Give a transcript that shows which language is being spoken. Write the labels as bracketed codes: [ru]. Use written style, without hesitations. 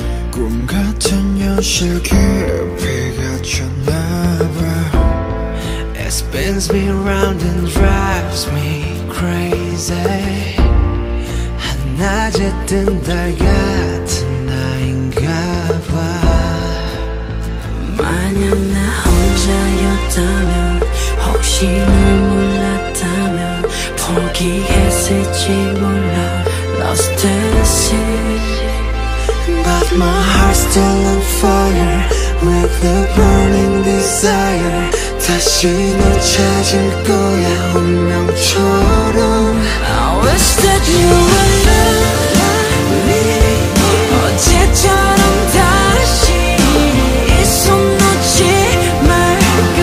[ko] 꿈 같은 현실 깊이 갇혔나봐. [en] It spins me round and drives me crazy. [ko] 낮에 뜬 달 같은 나인가봐. 만약 나 혼자였다면, 혹시 널 몰랐다면, 포기했을지 몰라. [en] Lost at sea, but my heart's still on fire with the burning desire. [ko] 다시 널 찾을 거야 운명처럼. [en] I wish that you were love me. [ko] 어제처럼 다시 이 손 놓지 말고.